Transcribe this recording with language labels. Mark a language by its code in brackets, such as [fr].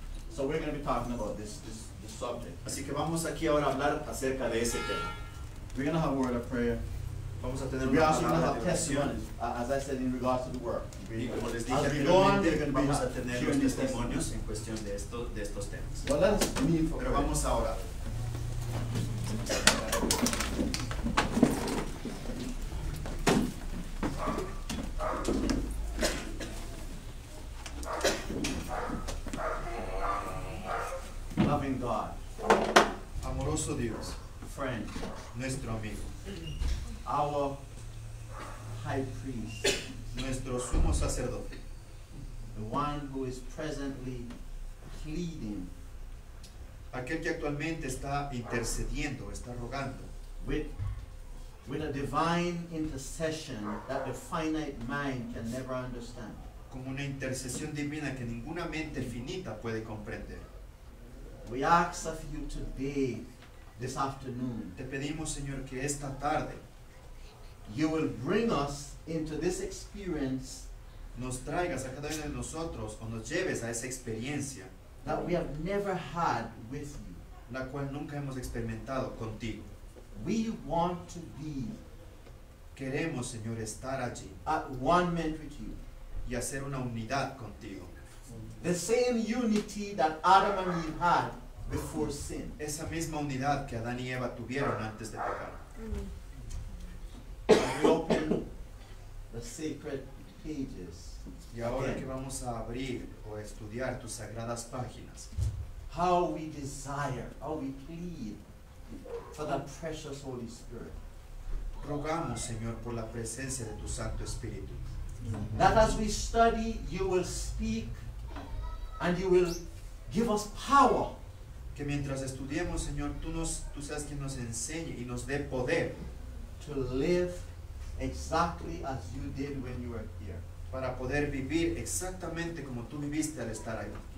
[en] So we're going to be talking about this subject. [es] Así que vamos aquí ahora a hablar acerca de ese tema. [en] We're going to have a word of prayer. [es] Vamos a tener una palabra de oración. [en] As I said, in regards to the work. [es] Y como les dije anteriormente, vamos a tener los testimonios en cuestión de estos temas. [en] Well, let's meet for prayer. [es] Vamos a orar. [en] Loving God, [es] amoroso Dios, [en] friend, [es] nuestro amigo, [en] our high priest, [es] nuestro sumo sacerdote, [en] the one who is presently pleading, [es] aquel que actualmente está intercediendo, está rogando, [en] with a divine intercession that the finite mind can never understand. [es] Como una intercesión divina que ninguna mente finita puede comprender. [en] We ask of you today, this afternoon, [es] te pedimos, Señor, que esta tarde [en] you will bring us into this experience, [es] nos traigas a cada uno de nosotros o nos lleves a esa experiencia [en] that we have never had with you, [es] la cual nunca hemos experimentado contigo. [en] We want to be, [es] queremos, Señor, estar allí, [en] at one moment with you, [es] y hacer una unidad contigo. [en] The same unity that Adam and Eve had before sin. [es] Esa misma unidad que Adán y Eva tuvieron antes de pecar. [en] We open the sacred pages. [es] Y ahora [en] again, [es] que vamos a abrir o estudiar tus sagradas páginas. [en] How we desire, how we plead for the precious Holy Spirit. [es] Rogamos, Señor, por la presencia de tu Santo Espíritu. [en] That as we study, you will speak and you will give us power. [es] Que mientras estudiemos, Señor, tú seas quien nos enseñe y nos dé poder. [en] To live exactly as you did when you were here. [es] Para poder vivir exactamente como tú viviste al estar aquí.